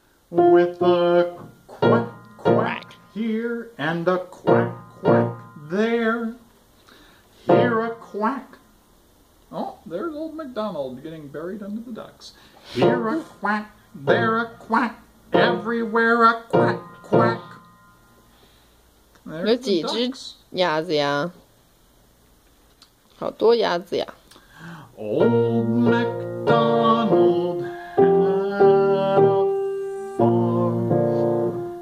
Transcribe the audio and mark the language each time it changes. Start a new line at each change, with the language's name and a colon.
English: With a quack, quack here and a quack, quack there. Here a quack. Oh, there's old MacDonald getting buried under the ducks. Here a quack, there a quack, Everywhere a quack, quack. There's
Chinese: 有几只鸭子呀? 好多鸭子呀。
English: Old MacDonald had a farm.